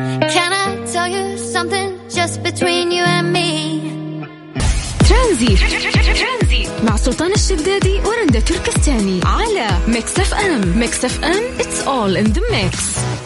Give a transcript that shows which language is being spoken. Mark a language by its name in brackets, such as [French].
[English] Can I tell you something just between you and me. [Arabic] ترانزيت مع سلطان الشدادي ورندا تركستاني على ميكس اف ام. [English] Mix F M, it's all in the mix.